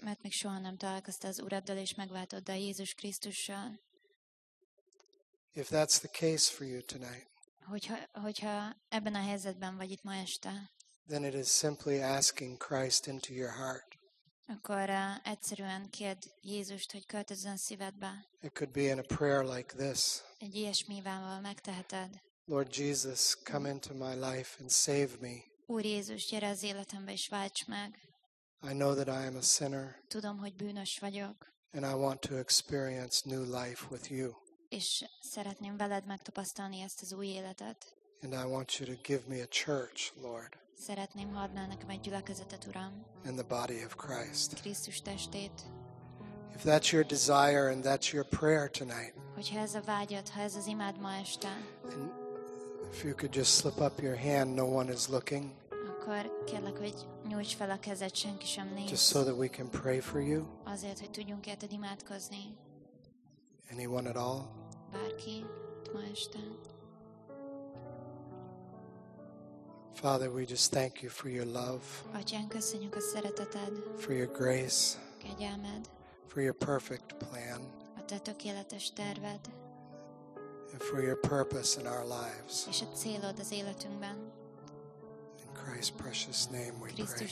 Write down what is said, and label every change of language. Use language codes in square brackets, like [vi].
[hu] Mert még soha nem találkoztál az Uraddal és megváltóddal Jézus Krisztussal. [en] If that's the case for you tonight. [hu] Hogyha ebben a helyzetben vagy itt ma este. [en] Then it is simply asking Christ into your heart. [hu] akkor egyszerűen kérd Jézust, hogy költözön szívedbe. [en] It could be in a prayer like this. [hu] Egy ilyesmivel megteheted. [en] Lord Jesus, come into my life and save me. [hu] Úr Jézus, gyere az életembe és válts meg. [en] I know that I am a sinner. [hu] Tudom, hogy bűnös vagyok. [en] And I want to experience new life with you. [hu] És szeretném veled megtapasztalni ezt az új életet. [en] And I want you to give me a church, Lord. [hu] Szeretném, ha adnál nekem egy gyülekezetet, Uram. [en] And the body of Christ. [hu] Krisztus testét. [en] If that's your desire and that's your prayer tonight. [hu] Hogyha ez a vágyad, ha ez az imád ma este. [en] If you could just slip up your hand, no one is looking. [hu] Akkor kérlek, hogy nyújts fel a kezed, senki sem néz. [en] Just so that we can pray for you. [hu] Azért, hogy tudjunk érted imádkozni. [en] Anyone at all? [hu] Bárki, ma este. [en] Father, we just thank you for your love. [hu] Atyán, köszönjük a szereteted. [en] For your grace. [hu] Kegyelmed. [en] For your perfect plan. [hu] A te tökéletes terved. [en] And for your purpose in our lives. [hu] És a célod az életünkben. [en] In Christ's precious name we [hu] Krisztus